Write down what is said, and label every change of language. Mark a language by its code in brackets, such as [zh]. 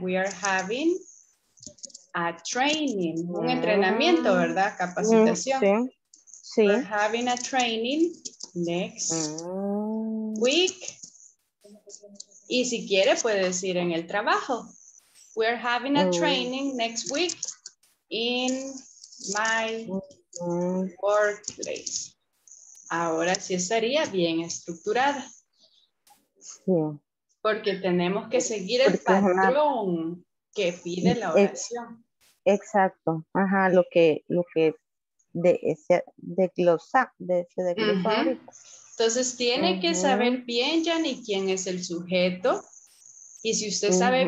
[en] We are having a training, [es] un [en] uh-huh. [es] entrenamiento, ¿verdad? Capacitación. Uh-huh. Sí. [en] We're having a training next uh-huh. week. [es] Y si quiere, puede decir en el trabajo. [en] We're having a training next week in my workplace. [es] Ahora sí estaría bien estructurada. Sí. Porque tenemos que seguir el patrón que pide la oración. Exacto. Ajá, lo que de ese desglosa, de ese desglosa. Entonces, tiene uh-huh. que saber bien, Jani, quién es el sujeto. Y si usted sabe uh-huh.